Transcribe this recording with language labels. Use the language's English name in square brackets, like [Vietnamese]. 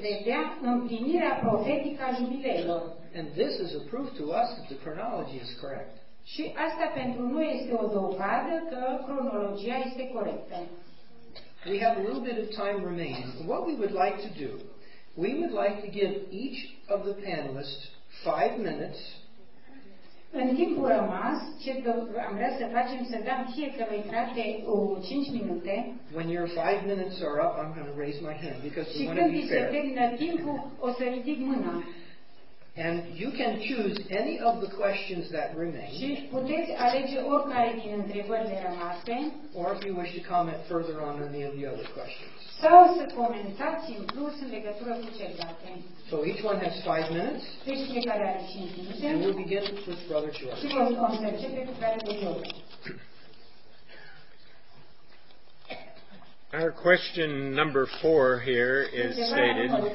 [Romanian] Vedea împlinirea profetică a jubileelor. [English] And this is a proof to us that the chronology is correct. [Romanian] Și asta pentru noi este o dovadă că cronologia este corectă. [English] We have a little bit of time remaining. What we would like to do, we would like to give each of the panelists 5 minutes. [Romanian] În timpul rămas, ce am vrea să facem, să dăm fiecare frate 5 minute. [English] When your 5 minutes are up, I'm going to raise my hand because we want to be fair. [Romanian] Și când se termină timpul, o să ridic mâna. [English] And you can choose any of the questions that remain. [Romanian] Și puteți alege oricare din întrebările rămase. [English] Or if you wish to comment further on any of the other questions. [Romanian] Sau să comentați în plus în legătură cu celelalte. [English] So each one has 5 minutes. [Romanian] Deci fiecare are 5 minute. [English] And we'll begin with Brother George. [Romanian] Și vom începe cu fratele George. [English] Our question number 4 here is stated.